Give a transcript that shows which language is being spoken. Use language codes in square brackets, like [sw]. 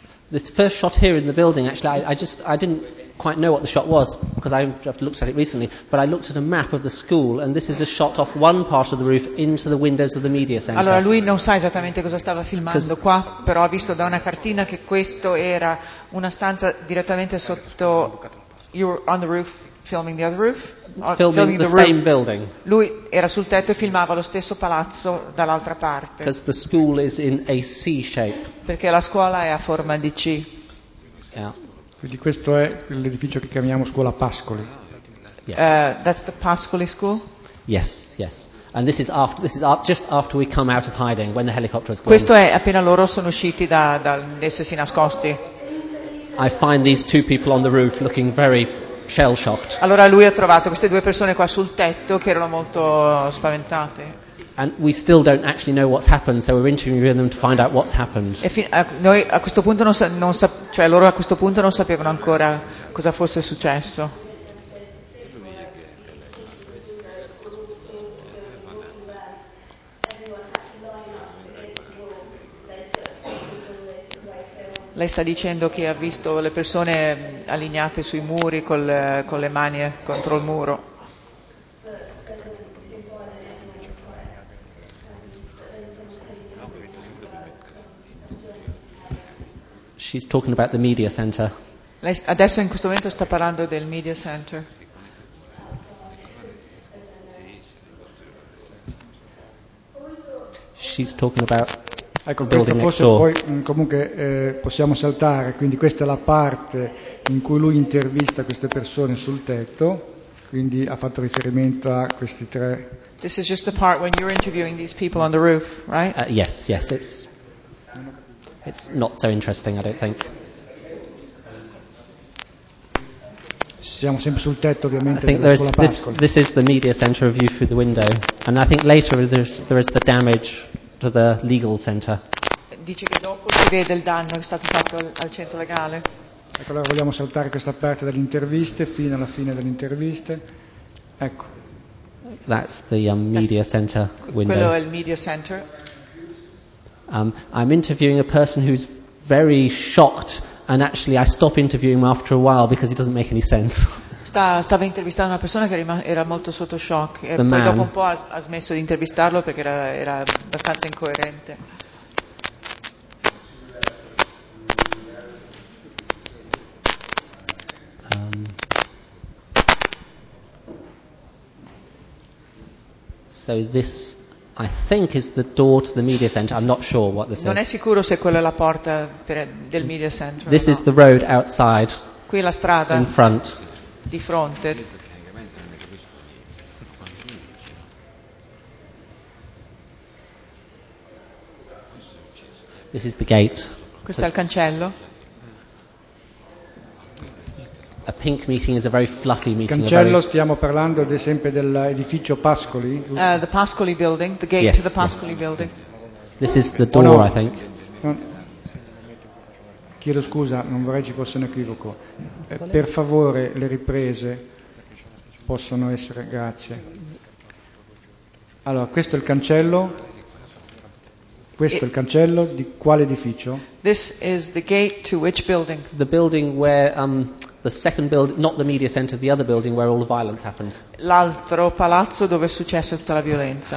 [en] this first shot here in the building, actually I didn't quite know what the shot was because I've looked at it recently, but I looked at a map of the school and this is a shot off one part of the roof into the windows of the media center. [it] Allora lui non sa esattamente cosa stava filmando qua, però ha visto da una cartina che questo era una stanza direttamente sotto. [en] You were on the roof filming the other roof? Filming the room. Same building. [it] Lui era sul tetto e filmava lo stesso palazzo dall'altra parte. [en] Because the school is in a C shape. [it] Perché la scuola è a forma di C. [en] Yeah. [it] Quindi questo è l'edificio che chiamiamo scuola Pascoli. [en] Yeah. That's the Pascoli school? Yes, yes. And this is just after we come out of hiding when the helicopter has gone. [it] Questo è appena loro sono usciti da essersi nascosti. [en] I find these two people on the roof looking very shell-shocked. [it] Allora lui ha trovato queste due persone qua sul tetto che erano molto spaventate. [en] And we still don't actually know what's happened, so we're interviewing them to find out what's happened. [it] Noi a questo punto cioè loro a questo punto non sapevano ancora cosa fosse successo. Lei sta dicendo che ha visto le persone allineate sui muri con le mani contro il muro. [en] She's talking about the media center. [it] Lei adesso in questo momento sta parlando del media center. [en] She's talking about... [it] Ecco, questo forse poi comunque possiamo saltare, quindi questa è la parte in cui lui intervista queste persone sul tetto, quindi ha fatto riferimento a questi tre. [en] This is just the part when you're interviewing these people on the roof, right? Yes, yes, it's not so interesting, I don't think. [it] Siamo sempre sul tetto, ovviamente, [en] I think [it] della scuola Pascoli. [en] This is the media center view through the window, and I think later there is the damage to the legal center. [it] Dice che dopo si vede il danno che è stato fatto al centro legale. Ecco, allora vogliamo saltare questa parte delle interviste fino alla fine delle interviste. Ecco. [en] That's the media center window. [it] Quello è il media center. [en] I'm interviewing a person who's very shocked, and actually I stop interviewing him after a while because he doesn't make any sense. [it] Stava intervistando una persona che era molto sotto shock e poi dopo un po' ha smesso di intervistarlo perché era abbastanza incoerente. [en] So this I think is the door to the media center. I'm not sure what this [it] non Non è sicuro se quella è la porta del media center. [en] This no. is the road outside. [it] Qui è la strada. [en] In front. [it] Di fronte. [en] This is the gate. [it] Questo è il cancello. [en] A pink meeting is a very fluffy meeting. [it] Cancello, stiamo parlando ad esempio dell'edificio Pascoli. [en] The Pascoli building, the gate yes, to the Pascoli yes. building. This is the door, no. I think. [it] Chiedo scusa, non vorrei ci fosse un equivoco. Per favore, le riprese possono essere, grazie. Allora, questo è il cancello. Questo è il cancello di quale edificio? [en] This is the gate to which building? The building where the second building, not the media center, the other building where all the violence happened. [it] L'altro palazzo dove è successa tutta la violenza.